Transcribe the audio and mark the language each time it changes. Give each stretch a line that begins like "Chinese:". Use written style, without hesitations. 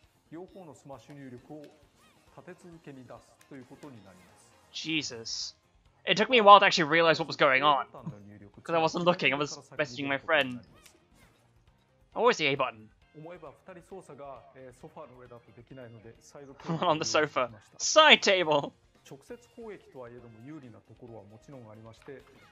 Japanese: 両方のスマッシュ入力を立て続けに出すということになります。
English: Jesus. It took me a while to actually realize what was going on. Because I wasn't looking, I was messaging my friend. Always the A button.
Japanese: 思えば2人操作がソファーの上だとできないのでサイド
English: テーブル。On the sofa. Side table!
Japanese: 直接攻撃とはいえども有利なところはもちろんありまして、